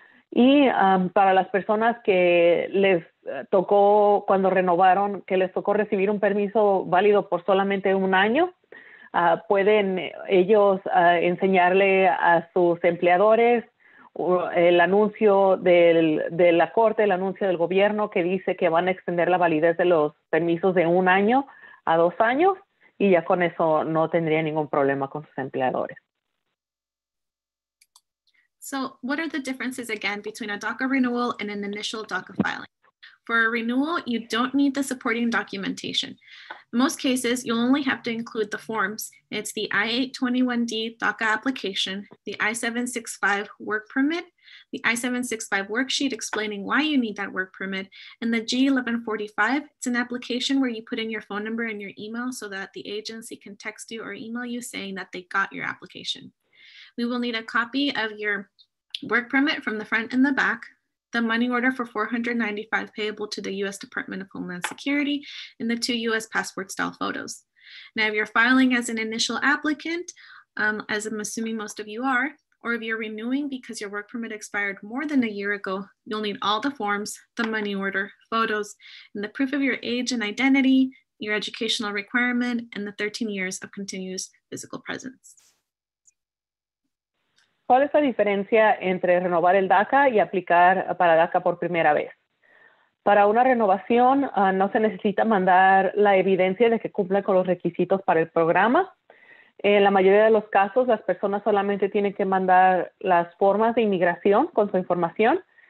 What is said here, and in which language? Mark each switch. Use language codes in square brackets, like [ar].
[es] Y para las personas que les tocó cuando renovaron, que les tocó recibir un permiso válido por solamente un año, pueden ellos enseñarle a sus empleadores el anuncio de la corte, el anuncio del gobierno que dice que van a extender la validez de los permisos de 1 año a 2 años, y ya con eso no tendría ningún problema con sus empleadores. [en] So what are the differences again between a DACA renewal and an initial DACA filing? For a renewal, you don't need the supporting documentation. In most cases, you'll only have to include the forms. It's the I-821D DACA application, the I-765 work permit, the I-765 worksheet explaining why you need that work permit, and the G-1145. It's an application where you put in your phone number and your email so that the agency can text you or email you saying that they got your application. We will need a copy of your work permit from the front and the back, the money order for $495 payable to the U.S. Department of Homeland Security, and the 2 U.S. passport style photos. Now, if you're filing as an initial applicant, as I'm assuming most of you are, or if you're renewing because your work permit expired more than a year ago, you'll need all the forms, the money order, photos, and the proof of your age and identity, your educational requirement, and the 13 years of continuous physical presence. [es] ¿Cuál es la diferencia entre renovar el DACA y aplicar para DACA por primera vez? Para una renovación no se necesita mandar la evidencia de que cumple con los requisitos para el programa. En la mayoría de los casos, las personas solamente tienen que mandar las formas de inmigración con su información.